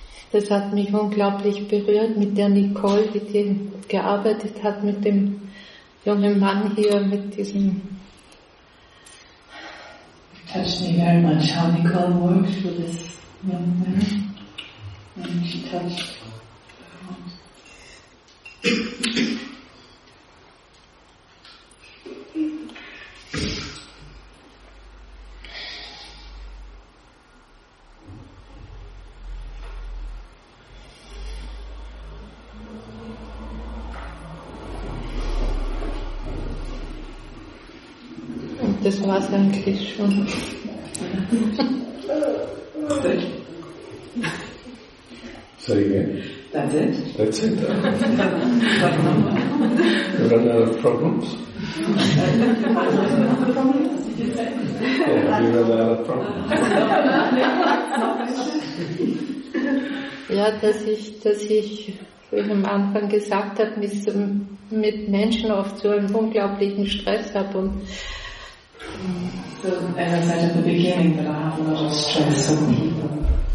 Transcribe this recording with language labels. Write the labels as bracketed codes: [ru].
[de] Das hat mich unglaublich berührt mit der Nicole, die hier gearbeitet hat, mit dem jungen Mann hier, mit diesem. [en] Touched me very much how Nicole worked for this young man. And she touched her heart. [de] Das war es eigentlich schon. [en] Say again. That's it. That's it. You run out of problems? Yeah, you run out of problems. [de] Ja, dass ich, wie ich am Anfang gesagt habe, mit Menschen oft so einen unglaublichen Stress habe und [en] so, as I said at the beginning, that I have a lot of stress on people.